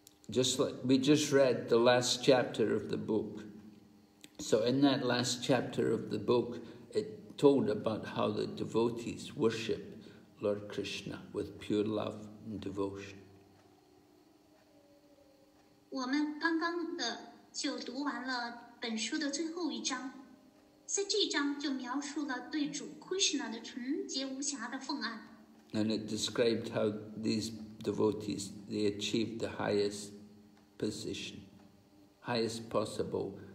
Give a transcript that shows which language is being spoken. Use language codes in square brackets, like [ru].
[en] Just like we just read the last chapter of the book, so in that last chapter of the book, it told about how the devotees worship Lord Krishna with pure love and devotion. [zh] 我们刚刚的。就读完了本书的最后一章，在这一章就描述了对主 Krishna 的纯洁无瑕的奉爱。 [en] And it described how these devotees they achieved the highest position, highest possible.